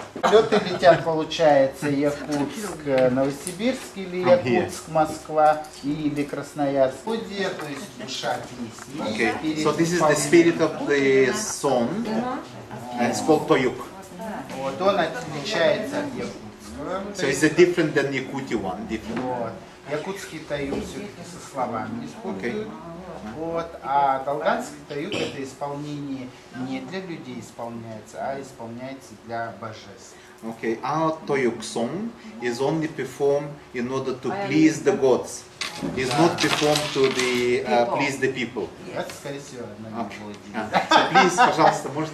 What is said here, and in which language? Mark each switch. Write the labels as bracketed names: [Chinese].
[Russian] Лёт и летят, получается, Якутск-Новосибирск или Якутск-Москва или Красноярск. Вот где, то есть душа здесь. [English] Okay, so this is the spirit of the song. And it's called Toyuk. [Russian] Вот он отличается от Якутска. [English] So it's a different than Yakuti one, different. Вот. [Russian] Якутский таюк все-таки со словами используют. Okay. Вот. А долганский таюк это исполнение не для людей исполняется, а исполняется для божеств. Okay. [English] Our toyuk song is only performed in order to please the gods. It's not performed to the please the people. That's [Russian] скорее всего на мелодии. [English] So please, [Russian] пожалуйста, можете.